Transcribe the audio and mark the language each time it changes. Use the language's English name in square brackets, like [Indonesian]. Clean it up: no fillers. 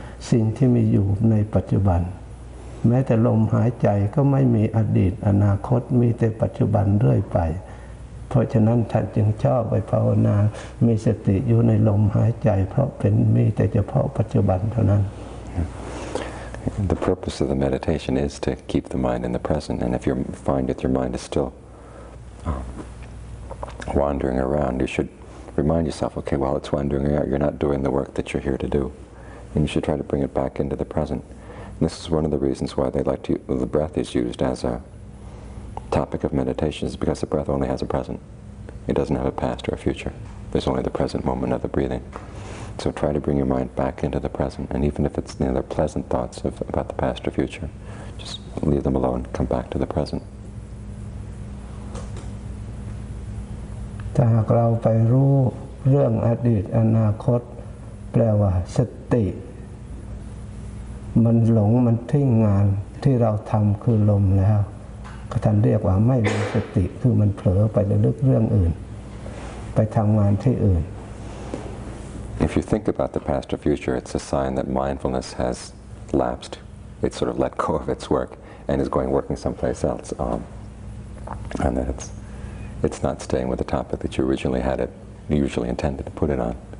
[Thai] สิ่งที่มีอยู่ในปัจจุบันแม้แต่ลมหายใจก็ไม่มีอดีตอนาคตมีแต่ปัจจุบันเรื่อยไปเพราะฉะนั้นท่านจึงชอบไปภาวนามีสติอยู่ในลมหายใจเพราะเป็นมีแต่เฉพาะปัจจุบันเท่านั้น [English] The purpose of the meditation is to keep the mind in the present, and if you find that your mind is still wandering around, you should remind yourself, okay, while it's wandering around, you're not doing the work that you're here to do, and you should try to bring it back into the present. And this is one of the reasons why they like to the breath is used as a topic of meditation, is because the breath only has a present; it doesn't have a past or a future. There's only the present moment of the breathing. So try to bring your mind back into the present, and even if it's the pleasant thoughts of about the past or future, just leave them alone. Come back to the present. [Thai] ถ้าเราไปรู้เรื่องอดีตอนาคตแปลว่าสติมันหลงมันทิ้งงานที่เราทำคือลมแล้วก็ท่านเรียกว่าไม่มีสติคือมันเผลอไปในเรื่องอื่นไปทำงานที่อื่น [English] If you think about the past or future, it's a sign that mindfulness has lapsed. It's sort of let go of its work and is going working someplace else. And that it's not staying with the topic that you originally had it, usually intended to put it on.